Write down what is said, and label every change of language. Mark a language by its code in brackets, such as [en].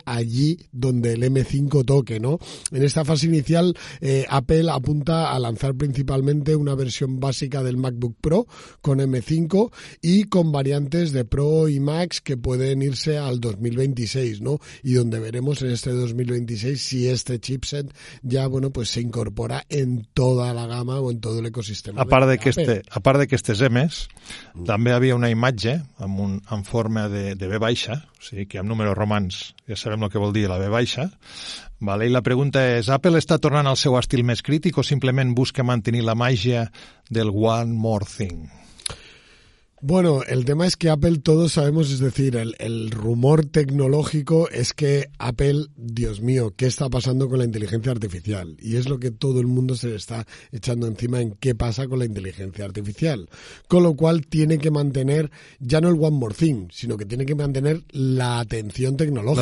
[es] Allí donde el M5 toque, ¿no? En esta fase inicial, Apple apunta a lanzar principalmente una versión básica del MacBook Pro con M5 y con variantes de Pro y Max que pueden irse al 2026, ¿no? Y donde veremos en este 2026 si este chipset ya, bueno, pues se incorpora en toda la gama o en todo el ecosistema. [ca] A part de que estes M's, també havia una imatge en forma de B baixa, o sigui, que amb números romans ja sabem el que vol dir la B baixa, vale? I la pregunta és, Apple està tornant al seu estil més crític o simplement busca mantenir la màgia del one more thing? [es] Bueno, el tema es que Apple, todos sabemos, es decir, el rumor tecnológico es que Apple, Dios mío, ¿qué está pasando con la inteligencia artificial? Y es lo que todo el mundo se le está echando encima, en qué pasa con la inteligencia artificial. Con lo cual tiene que mantener, ya no el one more thing, sino que tiene que mantener la atención tecnológica.